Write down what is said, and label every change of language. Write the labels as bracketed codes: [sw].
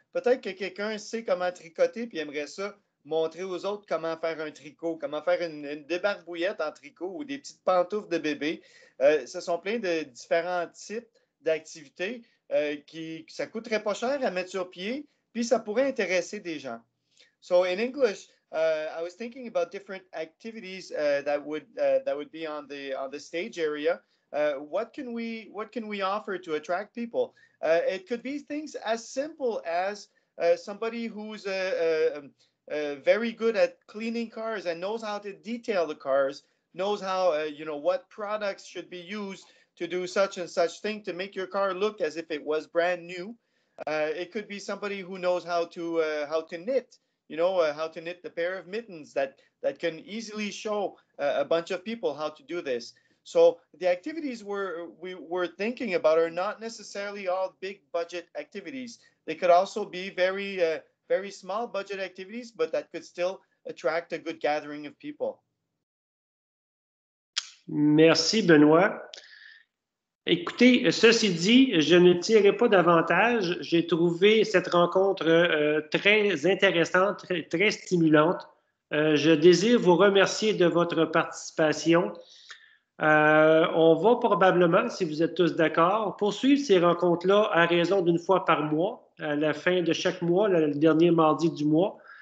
[fr] Peut-être que quelqu'un sait comment tricoter puis aimerait ça montrer aux autres comment faire un tricot, comment faire une débarbouillette en tricot ou des petites pantoufles de bébé. Ce sont plein de différents types d'activités qui ça coûterait pas cher à mettre sur pied puis ça pourrait intéresser des gens. [en] So, in English, I was thinking about different activities that would be on the stage area. What can we offer to attract people? It could be things as simple as somebody who's very good at cleaning cars and knows how to detail the cars, knows how what products should be used to do such and such thing to make your car look as if it was brand new. It could be somebody who knows how to knit. How to knit the pair of mittens that can easily show a bunch of people how to do this. So the activities we were thinking about are not necessarily all big budget activities. They could also be very, very small budget activities, but that could still attract a good gathering of people. [fr] Merci, Benoît. Écoutez, ceci dit, je ne tirerai pas davantage. J'ai trouvé cette rencontre très intéressante, très stimulante. Je désire vous remercier de votre participation. On va probablement, si vous êtes tous d'accord, poursuivre ces rencontres-là à raison d'une fois par mois, à la fin de chaque mois, le dernier mardi du mois.